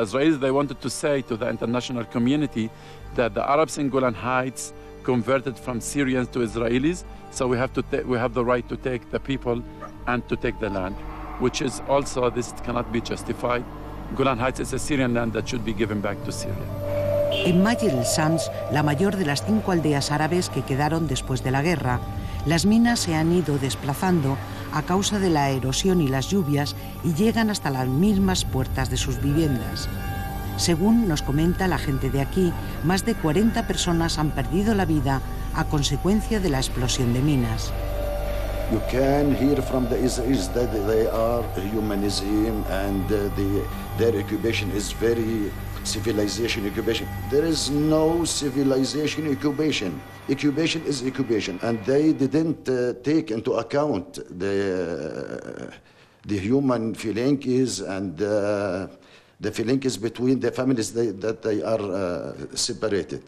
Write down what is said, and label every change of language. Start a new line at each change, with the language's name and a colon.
English: The Israelis, they wanted to say to the international community that the Arabs in Golan Heights converted from Syrians to Israelis, so we have the right to take the people and to take the land, which is also, this cannot be justified. Golan Heights is a Syrian land that should be given back to Syria. In
Spanish: Majer el-Shams, la mayor de las 5 aldeas árabes que quedaron después de la guerra, las minas se han ido desplazando a causa de la erosión y las lluvias y llegan hasta las mismas puertas de sus viviendas. Según nos comenta la gente de aquí, más de 40 personas han perdido la vida a consecuencia de la explosión de minas.
English: You can hear from the Israelis that they are humanism and their occupation is very civilization occupation. There is no civilization occupation. Occupation is occupation, and they didn't take into account the human feelings and the feelings between the families that they are separated.